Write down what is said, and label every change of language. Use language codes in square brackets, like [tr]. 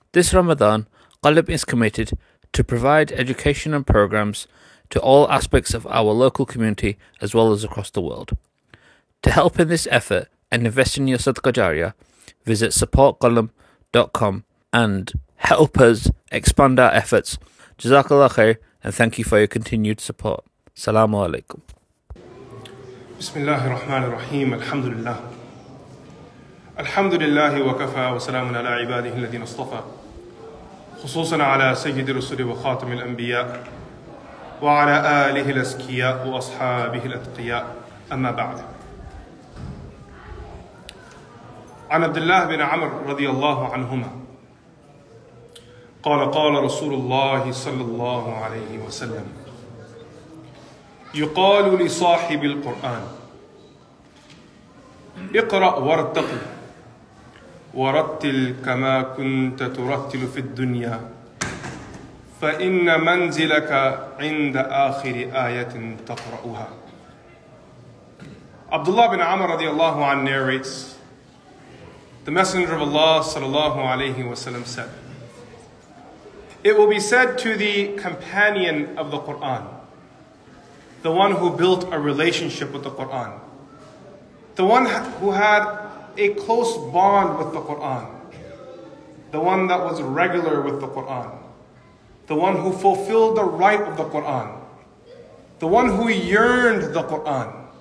[en] This Ramadan, Qalb is committed to provide education and programs to all aspects of our local community as well as across the world. To help in this effort and invest in your Sadqa Jariyah, visit supportqalb.com and help us expand our efforts. Jazakallah khair and thank you for your continued support. Assalamu alaikum. [ar] بسم الله الرحمن الرحيم الحمد لله الحمد لله وكفى وسلام على عباده الذين اصطفى خصوصا على سيد الرسل وخاتم الأنبياء وعلى آله الأزكياء وأصحابه الأتقياء أما بعد عن عبد الله بن عمر رضي الله عنهما قال قال رسول الله صلى الله عليه وسلم يقال لصاحب القرآن اقرأ وارتق ورتل كما كنت ترتل في الدنيا فإن منزلك عند آخر آية تقرأها. [en] Abdullah bin Amr radiallahu an narrates, the Messenger of Allah sallallahu alayhi wa sallam said, it will be said to the companion of the Quran, the one who built a relationship with the Quran, the one who had a close bond with the Qur'an, the one that was regular with the Qur'an, the one who fulfilled the rite of the Qur'an, the one who yearned the Qur'an.